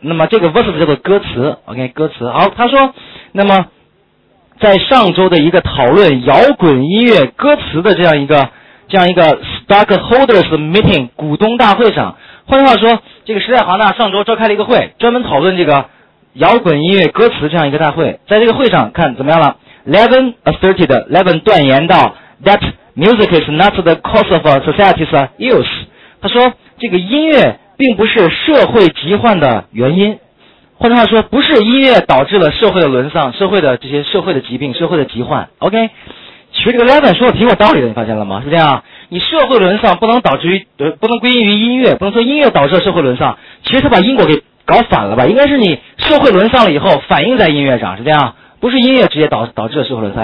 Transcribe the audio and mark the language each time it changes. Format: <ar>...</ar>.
<zh>那么这个 versus 叫做歌词 ，OK， 歌词。好，他说，那么在上周的一个讨论摇滚音乐歌词的这样一个</zh> <en>stockholders meeting</en> <zh>股东大会上，换句话说，这个时代华纳上周召开了一个会，专门讨论这个摇滚音乐歌词这样一个大会。在这个会上看怎么样了 ？</zh> <en>Levin asserted，</en> <zh>Levin 断言到 that。</zh> <en>Music is not the cause of society's ills.</en> <zh>他说这个音乐并不是社会疾患的原因，换句话说不是音乐导致了社会的沦丧，社会的这些社会的疾病，社会的疾患。 OK， 其实这个 Levin 说的挺有道理的，你发现了吗？是这样，你社会沦丧不能导致于不能归因于音乐，不能说音乐导致了社会沦丧，其实他把因果给搞反了吧，应该是你社会沦丧了以后反映在音乐上，是这样，不是音乐直接导致了社会沦丧。</zh>